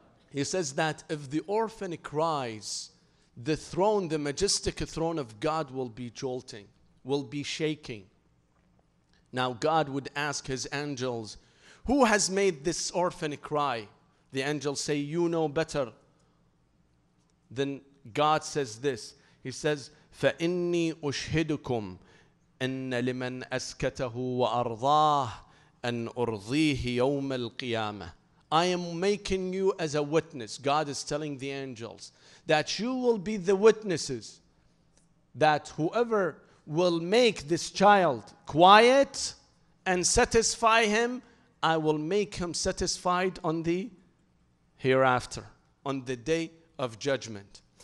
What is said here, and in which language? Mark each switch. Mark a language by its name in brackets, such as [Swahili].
[English] He says that if the orphan cries, the throne, the majestic throne of God will be jolting, will be shaking. Now God would ask his angels, "Who has made this orphan cry?" The angels say, "You know better." Then God says this. He says, [Arabic] "فَإِنِّي أُشْهِدُكُمْ أَنَّ لِمَنْ أَسْكَتَهُ وَأَرْضَاهُ أَنْ أُرْضِيهِ يَوْمَ الْقِيَامَةِ." [English] I am making you as a witness. God is telling the angels that you will be the witnesses that whoever will make this child quiet and satisfy him, I will make him satisfied on the hereafter, on the day of judgment.